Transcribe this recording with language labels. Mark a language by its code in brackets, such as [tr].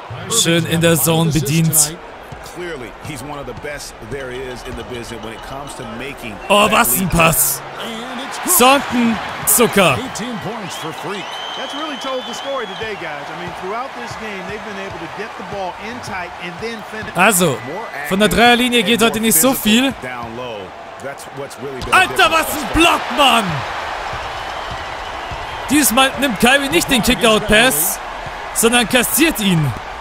[de] Schön in der Zone bedient. [en] Clearly, he's one of the best there is in the business when it comes to making. [de] Oh, was ein Pass. Sonken Zucker. [en] 18 points for Freak. That's really told the story today, guys. I mean, throughout this game, they've been able to get the ball in tight and then finish. [de] Also, von der Dreierlinie geht heute nicht so viel. Alter, was ein Block, Mann! Diesmal nimmt Kyrie nicht den Kickout-Pass, sondern kassiert ihn.